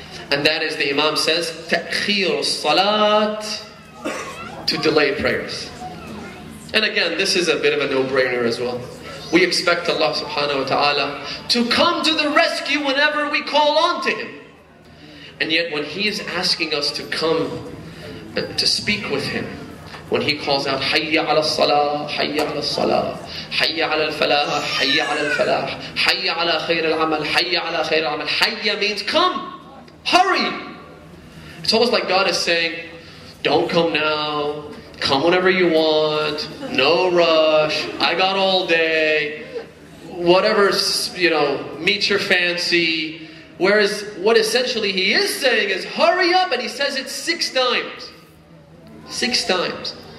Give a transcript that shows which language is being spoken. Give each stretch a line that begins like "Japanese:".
English: And that is, the Imam says,
Arabic: تَأْخِيرُ الصَّلَاةِ,
English: to delay prayers. And again, this is a bit of a no-brainer as well. We expect Allah subhanahu wa ta'ala to come to the rescue whenever we call on to Him.
Arabic: And yet when He is asking us to come to speak with Him, when He calls out, حَيَّ عَلَى الصَّلَاةِ, حَيَّ عَلَى الصَّلَاةِ, حَيَّ عَلَى الْفَلَاحِ, حَيَّ عَلَى الْفَلَاحِ, حَيَّ عَلَى خَيْرِ الْعَمَلِ, حَيَّ عَلَى خَيْرِ الْعَمَلِ, حَيَّ
English: means come, hurry. It's almost like God is saying, don't come now, come whenever you want, no rush, I got all day, whatever, you know, meets your fancy. Whereas what essentially He is saying is, hurry up, and He says it 6 times. 6 times.